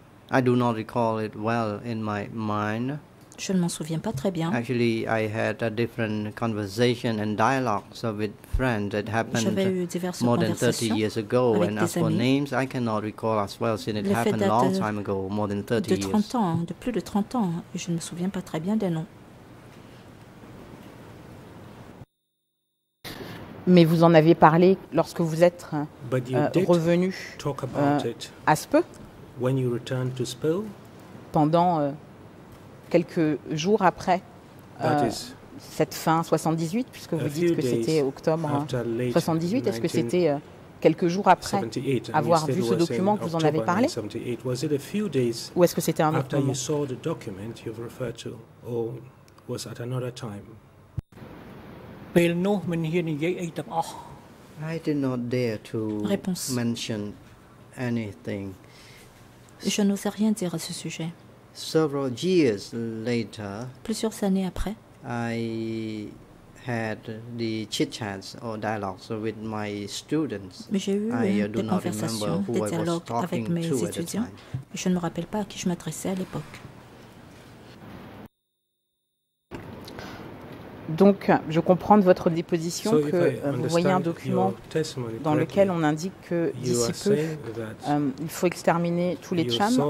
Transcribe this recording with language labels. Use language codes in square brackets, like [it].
[en] I do not recall it well in my mind. [fr] Je ne m'en souviens pas très bien. [en] Actually, I had a different conversation and dialogues with friends that happened more than 30 years ago. And as for names, I cannot recall as well since it happened a long time ago, more than 30 years. [fr] De plus de 30 ans, et je ne me souviens pas très bien des noms. Mais vous en avez parlé lorsque vous êtes revenu à SPE. [en] When you returned to Spill, [fr] pendant quelques jours après cette fin 78, puisque vous dites que c'était octobre 78, est-ce que c'était quelques jours après avoir vu ce document que vous en avez parlé, ou est-ce que c'était un autre moment? [en] After you saw the document you've referred to, or was at another time? I did not dare to mention anything. [fr] Je n'osais rien dire à ce sujet. [en] Several years later, [fr] plusieurs années après, [en] I had the chit-chats or dialogues with my students. [fr] Mais j'ai eu des conversations, des dialogues avec mes étudiants. Et je ne me rappelle pas à qui je m'adressais à l'époque. Donc, je comprends de votre déposition que vous voyez un document dans lequel on indique que d'ici peu, il faut exterminer tous les CHAM.